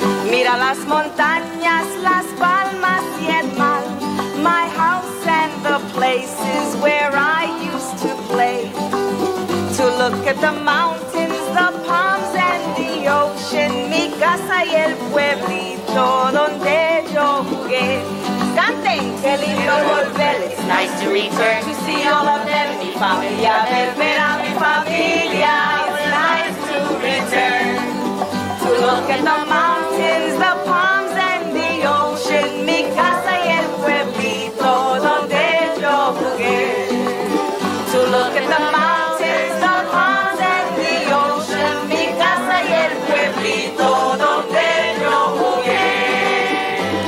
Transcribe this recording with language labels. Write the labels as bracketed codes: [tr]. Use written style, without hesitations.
[es] Mira las montañas, las palmas y el mar. [en] My house and the places where I used to play. To look at the mountains, the palms and the ocean. [es] Mi casa y el pueblito donde yo jugué. Canten, qué lindo volver. [en] It's nice to return to see all of them. [es] Mi familia, volver a mi familia. [en] It's nice to return. To look at the mountains, the palms and the ocean. [es] Mi casa y el pueblito donde yo jugué. [en] To look at the mountains, the palms and the ocean. [es] Mi casa y el pueblito donde yo jugué.